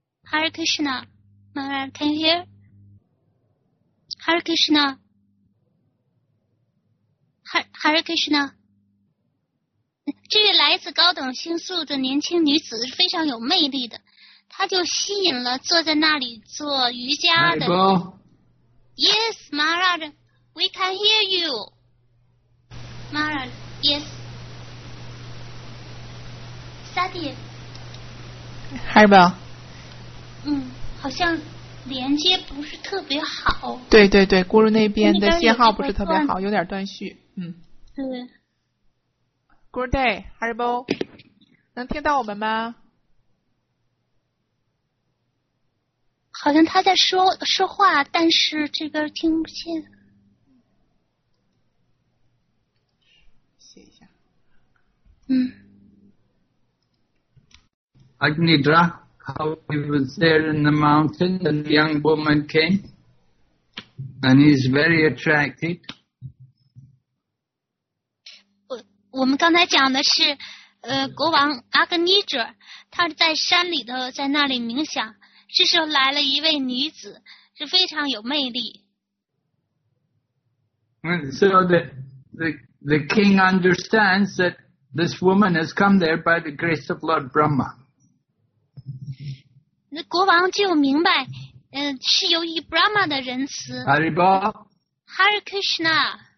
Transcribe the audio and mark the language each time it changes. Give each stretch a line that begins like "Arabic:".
English: Hare Krishna. Hare Krishna. Maharaj, can you hear? Hare Krishna. Hare Krishna.
Chinese: 这位来自高等星宿的年轻女子是非常有魅力的，她就吸引了坐在那里做瑜伽的。
English: Yes, Maharaj, we can hear you. Maharaj, yes.
Chinese: 萨迪还有没有？嗯，好像连接不是特别好。对对对，咕噜那边的信号不是特别好，有点断续。嗯，对。
English: Good day,
Chinese: Haribo, 能听到我们吗？好像他在说话，但是这边听不见。写一下。嗯。
English: Agnidra, how he was there in the mountain, and the young woman came, and he's very attracted.
Chinese: 我们刚才讲的是，国王阿格尼哲，他在山里头在那里冥想，这时候来了一位女子，是非常有魅力。
English: So the king understands that this woman has come there by the grace of Lord Brahma.
Chinese: 那国王就明白，是由于 Brahma 的仁慈。
English: Hare Krishna.